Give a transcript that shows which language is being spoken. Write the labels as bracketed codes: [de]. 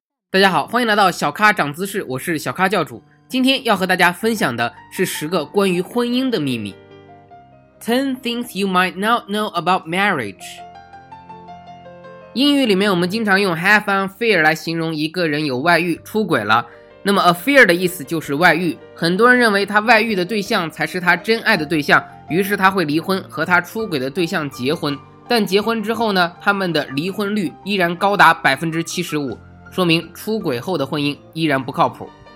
[zh] 大家好，欢迎来到小咖长姿势，我是小咖教主。今天要和大家分享的是十个关于婚姻的秘密。 [en] 10 things you might not know about marriage。 [zh] 英语里面我们经常用 have an affair 来形容一个人有外遇出轨了，那么 affair 的意思就是外遇，很多人认为他外遇的对象才是他真爱的对象，于是他会离婚和他出轨的对象结婚，但结婚之后呢，他们的离婚率依然高达 75%，说明出轨后的婚姻依然不靠谱。